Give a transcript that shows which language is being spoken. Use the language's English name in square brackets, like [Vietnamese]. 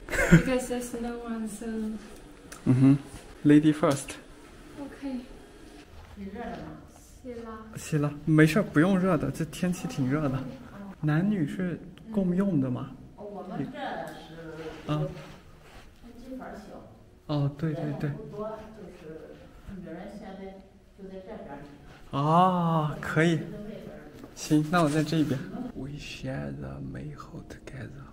[English] Because there's no one, so. 嗯哼，Lady first. Okay. [Chinese] 你热了吗？洗了，没事，不用热的，这天气挺热的。男女是共用的吗？我们这是啊，分间房洗。哦，对对对。不多，就是女人现在就在这边。哦，可以。行，那我在这边。 [English] We share the mayhew together.